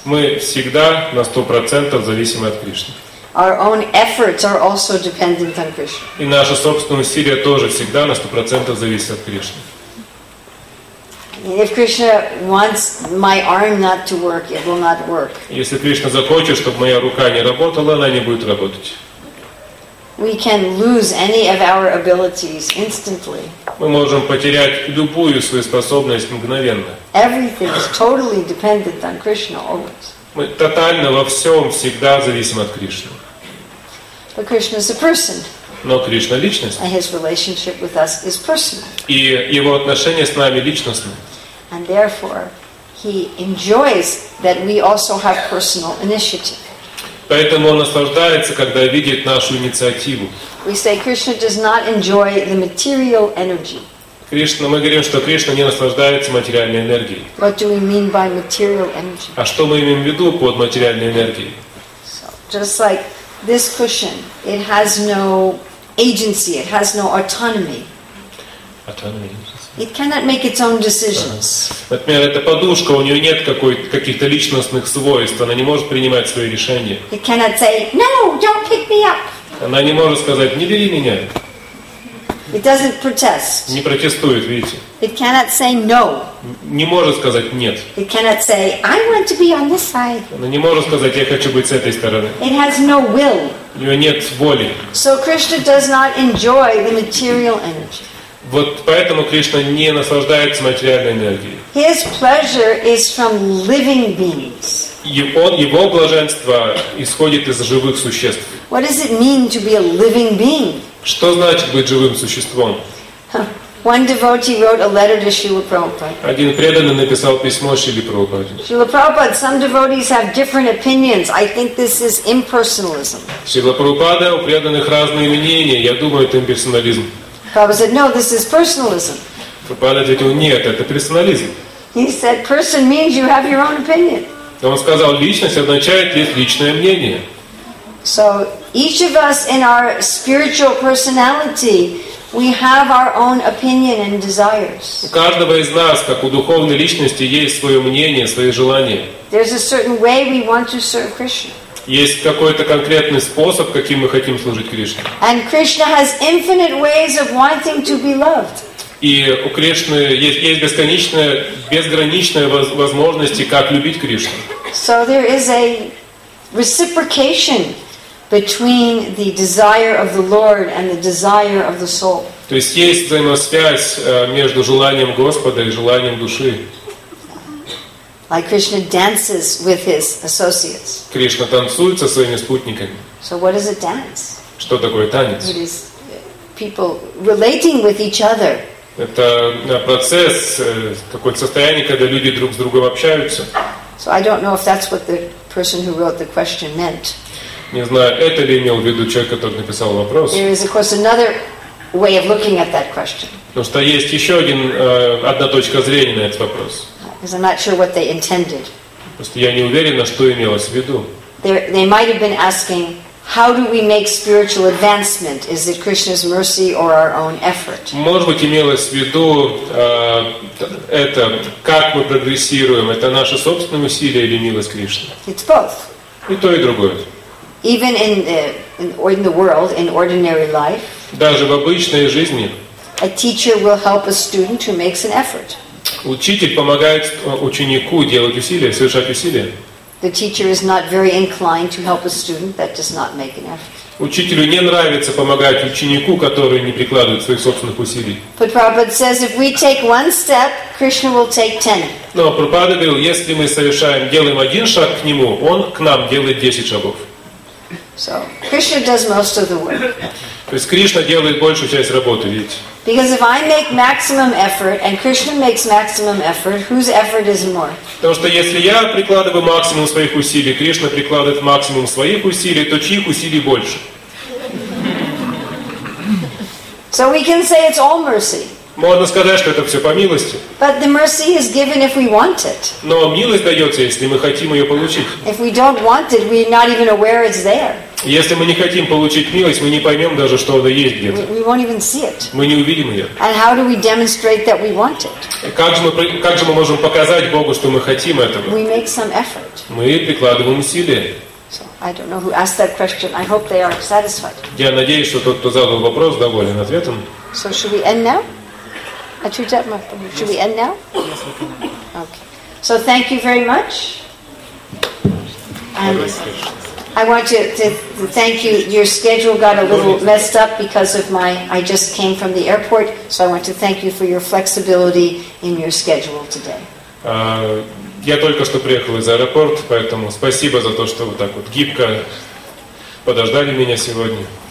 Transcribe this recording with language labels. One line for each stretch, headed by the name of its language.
Russian: Мы всегда на 100% зависимы от Кришны.
English: Our own efforts are also dependent on Krishna.
Russian: И наши собственные усилия тоже всегда на 100% зависят от Кришны.
English: If Krishna wants my arm not to work, it will not work.
Russian: Если Кришна захочет, чтобы моя рука не работала, она не будет работать.
English: We can lose any of our abilities instantly.
Russian: Мы можем потерять любую свою способность мгновенно.
English: Everything is totally dependent on Krishna always.
Russian: Мы тотально во всем всегда зависим от Кришны.
English: But Krishna is a person.
Russian: Но Кришна — личность.
English: And his relationship with us is personal.
Russian: И его отношение с нами личностное.
English: And therefore, he enjoys that we also have personal initiative.
Russian: Поэтому он наслаждается, когда видит нашу инициативу.
English: We say Krishna does not enjoy the material energy.
Russian: Кришна, мы говорим, что Кришна не наслаждается материальной энергией.
English: What do we mean by material energy?
Russian: А что мы имеем в виду под материальной энергией?
English: So, just like this cushion, it has no agency, it has no autonomy. Autonomy. It cannot make its own decisions.
Russian: Например, эта подушка, у нее нет каких-то личностных свойств, она не может принимать свои решения.
English: It cannot say, no, don't pick me up.
Russian: Она не может сказать, не бери меня.
English: It doesn't protest.
Russian: Не протестует, видите?
English: It cannot say no.
Russian: Не может сказать нет.
English: It cannot say, I want to be on this side.
Russian: Она не может сказать, я хочу быть с этой стороны.
English: It has no will.
Russian: У нее нет воли.
English: So Krishna does not enjoy the material energy.
Russian: Вот поэтому Кришна не наслаждается материальной энергией.
English: His pleasure is from living beings.
Russian: Его блаженство исходит из живых существ.
English: What does it mean to be a living being?
Russian: Что значит быть живым существом?
English: One devotee wrote a letter to Srila Prabhupada.
Russian: Один преданный написал письмо Шриле Прабхупаде.
English: Srila Prabhupada, some devotees have different opinions. I think this is impersonalism.
Russian: Шрила Прабхупада, у преданных разные мнения. Я думаю, это имперсонализм.
English: Prabhupada said, no, this is personalism.
Russian: Prabhupada ответил, нет, это персонализм.
English: He said, person means you have your own opinion.
Russian: Он сказал, личность означает есть личное мнение.
English: So each of us in our spiritual personality, we have our own opinion and desires.
Russian: У каждого из нас, как у духовной личности, есть свое мнение, свои желания.
English: There's a certain way we want to serve Krishna.
Russian: Есть какой-то конкретный способ, каким мы хотим служить Кришне.
English: And Krishna has infinite ways of wanting to be loved.
Russian: И у Кришны есть бесконечная, безграничная возможность, как любить Кришну.
English: So there is a reciprocation between the desire of the Lord and the desire of the soul.
Russian: То есть взаимосвязь между желанием Господа и желанием души.
English: Like Krishna dances with his associates.
Russian: Кришна танцует со своими спутниками.
English: So what is a dance?
Russian: Что такое танец?
English: It is people relating with each other.
Russian: Это процесс, какое-то состояние, когда люди друг с другом общаются.
English: So I don't know if that's what the person who wrote the question meant.
Russian: Не знаю, это ли имел в виду человек, который написал вопрос.
English: There is, of course, another way of looking at that question.
Russian: Потому что есть еще один, одна точка зрения на этот вопрос.
English: Because I'm not sure what they intended.
Russian: Просто я не уверена, что имелось в виду.
English: They might have been asking, how do we make spiritual advancement? Is it Krishna's mercy or our own effort?
Russian: Может быть, имелось в виду это, как мы прогрессируем? Это наши собственные усилия или милость Кришны?
English: It's both.
Russian: И то, и другое.
English: Even in the world, in ordinary life.
Russian: Даже в обычной жизни.
English: A teacher will help a student who makes an effort.
Russian: Учитель помогает ученику делать усилия, совершать усилия.
English: The teacher is not very inclined to help a student that does not make an effort.
Russian: Учителю не нравится помогать ученику, который не прикладывает своих собственных усилий.
English: But Prabhupada says, if we take one step, Krishna will take 10.
Russian: Но Прабхупада говорил, если мы совершаем, делаем один шаг к нему, он к нам делает 10 шагов.
English: So Krishna does most of the work.
Russian: То есть Кришна делает большую часть работы, видите?
English: Because if I make maximum effort and Krishna makes maximum effort, whose effort is more?
Russian: Потому что если я прикладываю максимум своих усилий, Кришна прикладывает максимум своих усилий, то чьих усилий больше?
English: So we can say it's all mercy.
Russian: Можно сказать, что это все по милости.
English: But the mercy is given if we want it.
Russian: Но милость дается, если мы хотим ее получить.
English: If we don't want it, we're not even aware it's there.
Russian: Если мы не хотим получить милость, мы не поймем даже, что она есть где-то.
English: We won't even see it.
Russian: Мы не увидим ее.
English: And how do we demonstrate that we want it?
Russian: Как же мы можем показать Богу, что мы хотим этого?
English: We make some effort.
Russian: Мы прикладываем усилия.
English: So I don't know who asked that question. I hope they are satisfied.
Russian: Я надеюсь, что тот, кто задал вопрос, доволен ответом.
English: So should we end now? Should we end now? Okay. So thank you very much. I want to thank you. Your schedule got a little messed up because of my... I just came from the airport, so I want to thank you for your flexibility in your schedule today.
Russian: Я только что приехал из аэропорта, поэтому спасибо за то, что вы так вот гибко подождали меня сегодня.